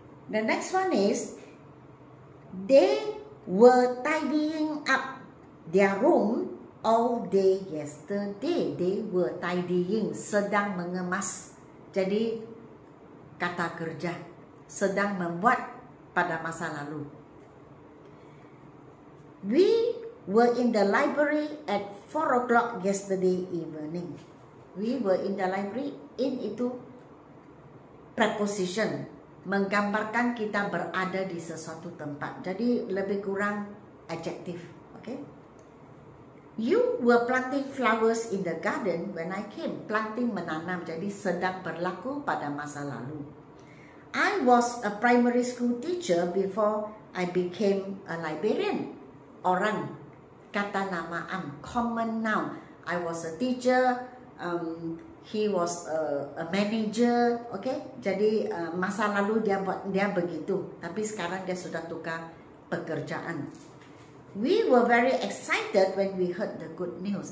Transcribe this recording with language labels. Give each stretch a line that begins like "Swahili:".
English: The next one is, they were tidying up their room all day yesterday. They were tidying,
Malay: sedang mengemas. Jadi kata kerja, sedang membuat pada masa lalu.
English: We were in the library at 4 o'clock yesterday evening. We were in the library.
Malay: In itu preposition, menggambarkan kita berada di sesuatu tempat. Jadi lebih kurang adjective. Okay?
English: You were planting flowers in the garden when I came.
Malay: Planting, menanam. Jadi sedang berlaku pada masa lalu.
English: I was a primary school teacher before I became a librarian.
Malay: Orang, kata nama am, common noun.
English: I was a teacher. He was a manager. Okay?
Malay: Jadi masa lalu dia begitu. Tapi sekarang dia sudah tukar pekerjaan.
English: We were very excited when we heard the good news.